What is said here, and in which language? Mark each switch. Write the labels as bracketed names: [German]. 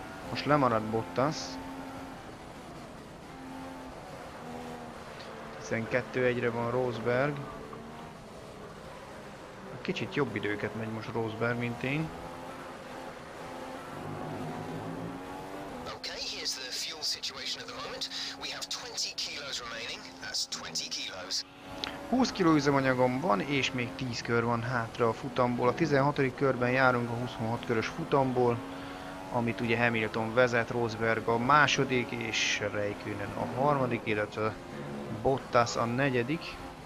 [Hungarian] Most lemaradt Bottas. 12-1-re van Rosberg. Kicsit jobb időket megy most Rosberg, mint én. [English] Okay, here's the fuel situation at the moment. We have 20 kilos remaining. That's 20 kilos. [Hungarian] 20 kiló üzemanyagom van, és még 10 kör van hátra a futamból. A 16. körben járunk a 26 körös futamból, amit ugye Hamilton vezet, Rosberg a második, és Räikkönen a harmadik, illetve Bottas a negyedik.